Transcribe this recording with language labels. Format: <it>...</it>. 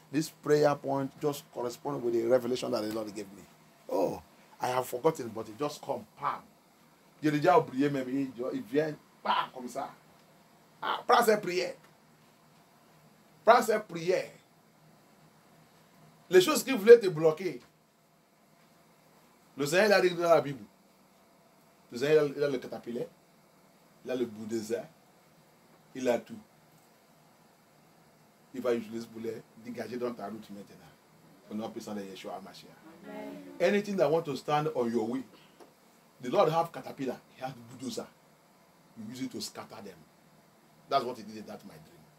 <en>This prayer point just corresponds with the revelation that the Lord gave me. Oh, I have forgotten, but it just come, pam.</en> <fr>J'ai déjà oublié, même, il vient, pam, comme ça. Ah, prends cette prière. Prends cette prière. Les choses qui voulaient te bloquer, le Seigneur l'a dit dans la Bible. Le Seigneur il a le catapulte, il a le bout des airs, il a tout. Il va utiliser ce boulet, dégager dans ta route maintenant. Au nom puissant de Yeshua HaMashiach. Amen.</fr> <en>Anything that wants to stand on your way, the Lord have caterpillar, he has the bulldozer. You use it to scatter them. That's what he did in that my dream.</en>